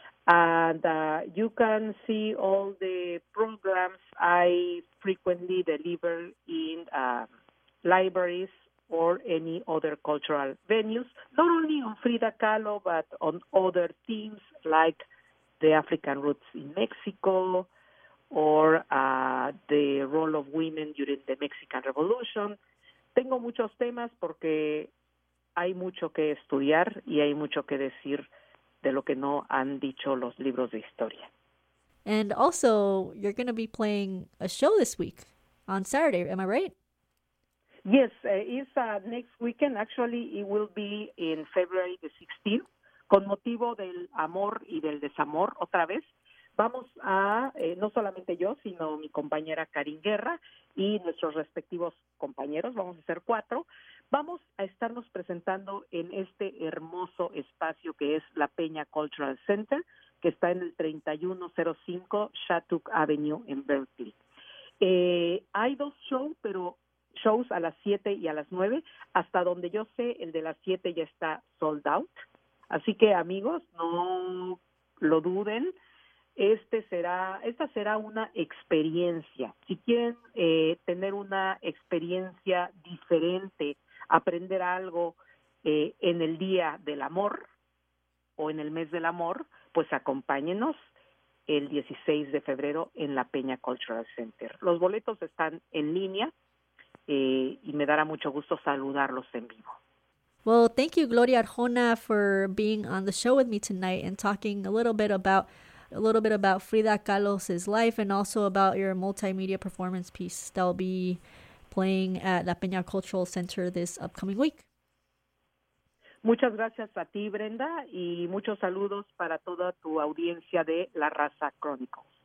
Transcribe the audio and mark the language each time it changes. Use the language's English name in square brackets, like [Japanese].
[English] And you can see all the programs I frequently deliver in libraries or any other cultural venues, not only on Frida Kahlo, but on other themes like the African roots in Mexico or the role of women during the Mexican Revolution. [Spanish] Tengo muchos temas porque hay mucho que estudiar y hay mucho que decir de lo que no han dicho los libros de historia. [English] And also, you're going to be playing a show this week on Saturday, am I right? Yes, it's next weekend. Actually, it will be in February the 16th. [Spanish] Con motivo del amor y del desamor, otra vez, vamos a, no solamente yo, sino mi compañera Karin Guerra y nuestros respectivos compañeros, vamos a ser cuatro, vamos a estarnos presentando en este hermoso espacio que es la Peña Cultural Center, que está en el 3105 Shattuck Avenue en Berkeley. Hay dos shows, pero shows a las 7 y a las 9, hasta donde yo sé, el de las 7 ya está sold out. Así que, amigos, no lo duden, esta será una experiencia. Si quieren tener una experiencia diferente, aprender algo en el Día del Amor o en el Mes del Amor, pues acompáñenos el 16 de febrero en la Peña Cultural Center. Los boletos están en línea y me dará mucho gusto saludarlos en vivo. [English] Well, thank you, Gloria Arjona, for being on the show with me tonight and talking a little bit about Frida Kahlo's life and also about your multimedia performance piece that'll be playing at La Peña Cultural Center this upcoming week. [Spanish] Muchas gracias a ti, Brenda, y muchos saludos para toda tu audiencia de La Raza Chronicles.